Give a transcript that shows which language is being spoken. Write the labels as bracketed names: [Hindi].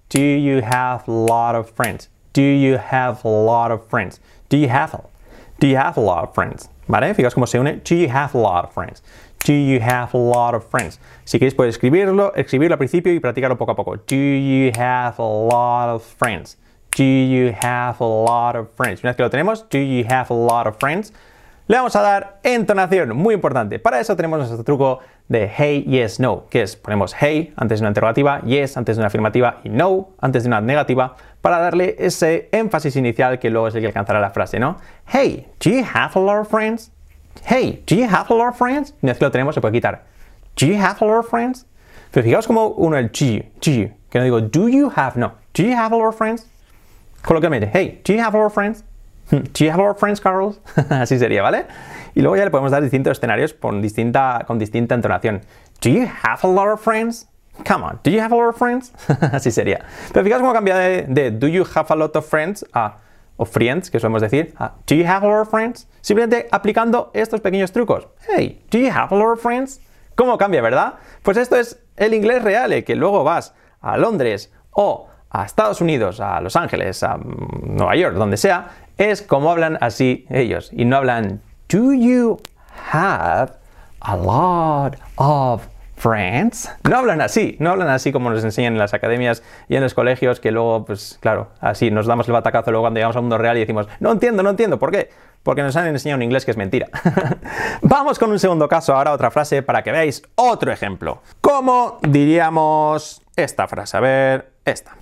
[English] Do you have a lot of friends? Do you have a lot of friends? Do you have a lot of friends? [Spanish] ¿Vale? Fijaos cómo se une. [English] Do you have a lot of friends? Do you have a lot of friends? [Spanish] Si queréis, podéis escribirlo al principio y practicarlo poco a poco. [English] Do you have a lot of friends? Do you have a lot of friends? [Spanish] Una vez que lo tenemos, [English] do you have a lot of friends? [Spanish] Le vamos a dar entonación, muy importante. Para eso tenemos nuestro truco de hey, yes, no, que es ponemos hey antes de una interrogativa, yes antes de una afirmativa y no antes de una negativa para darle ese énfasis inicial que luego es el que alcanzará la frase, ¿no? [English] Hey, do you have a lot of friends? Hey, do you have a lot of friends? [Spanish] Una vez que lo tenemos, se puede quitar. [English] Do you have a lot of friends? [Spanish] Pero fijaos como uno el [English] do you, [Spanish] que no digo [English] do you have, no. Do you have a lot of friends? Colóquenme, hey, do you have a lot of friends? Do you have a lot of friends, Carlos? [Spanish] Así sería, ¿vale? Y luego ya le podemos dar distintos escenarios con distinta entonación. [English] Do you have a lot of friends? Come on, do you have a lot of friends? [Spanish] Así sería. Pero fijaos cómo cambia de [English] do you have a lot of friends [Spanish] a friends, que solemos decir, a do you have a lot of friends? Simplemente aplicando estos pequeños trucos. [English] Hey, do you have a lot of friends? [Spanish] ¿Cómo cambia, verdad? Pues esto es el inglés real, que luego vas a Londres o a Estados Unidos, a Los Ángeles, a Nueva York, donde sea, es como hablan así ellos. Y no hablan, [English] do you have a lot of friends? [Spanish] No hablan así como nos enseñan en las academias y en los colegios, que luego, pues claro, así nos damos el batacazo luego cuando llegamos al mundo real y decimos, no entiendo, ¿por qué? Porque nos han enseñado un inglés que es mentira. Vamos con un segundo caso, ahora otra frase para que veáis otro ejemplo. ¿Cómo diríamos esta frase? A ver, esta.